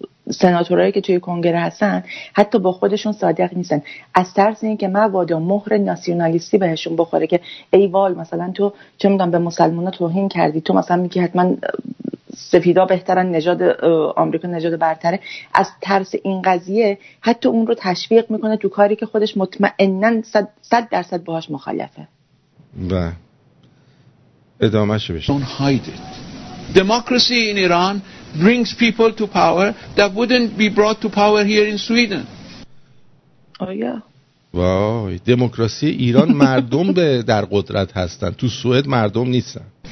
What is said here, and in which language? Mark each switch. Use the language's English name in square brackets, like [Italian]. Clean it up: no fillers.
[Persian] سناتورایی که توی کنگره هستن حتی با خودشون صادق نیستن، از ترس اینکه مبادا مهر ناسیونالیستی بهشون بخوره که ای وای مثلا تو چه میدونم به مسلمان‌ها توهین کردی، تو مثلا میگی حتما سفیدا بهترن، نژاد آمریکا نژاد برتره، از ترس این قضیه حتی اون رو تشویق میکنه تو کاری که خودش مطمئنن 100% باهاش مخالفه. و ادامه‌شو بشه. [English] Don't hide it. Democracy in Iran brings people to power that wouldn't be brought to power here in Sweden. Oh yeah. [Persian] وای دموکراسی ایران مردم به در قدرت هستن، تو سوئد مردم نیستن.